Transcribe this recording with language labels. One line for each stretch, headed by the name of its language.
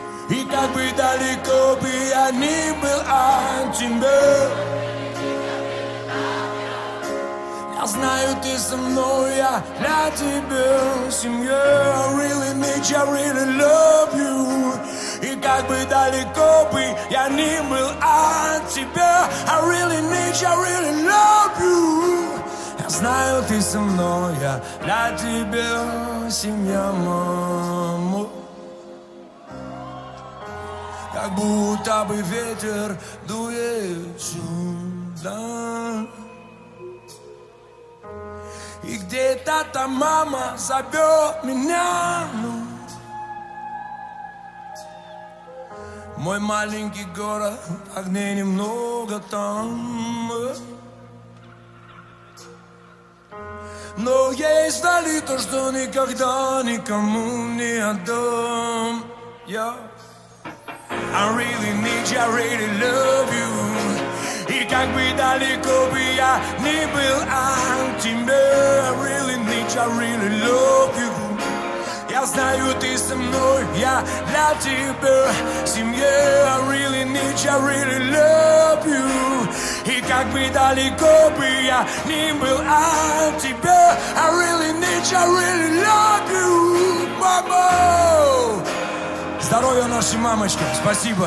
Russian: И как бы далеко бы я ни был от тебя, я знаю, ты со мной, я для тебя семья.
English: I really need you, I really love you.
Russian: И как бы далеко бы я ни был от тебя,
English: I really need you, I really love you.
Russian: Я знаю, ты со мной, я для тебя семья, мама. Как будто бы ветер дует сюда, и где-то там мама зовет меня. Мой маленький город, огней немного там, но есть вдали то, что никогда никому не отдам я.
English: I really need you, I really love you.
Russian: И как бы далеко бы я ни был от тебя,
English: I really need you, I really love you.
Russian: Я знаю, ты со мной, я для тебя семья.
English: I really need you, I really love you.
Russian: И как бы далеко бы я ни был от тебя,
English: I really need you, I really love you,
Russian: мама. Здоровья нашей мамочке, спасибо.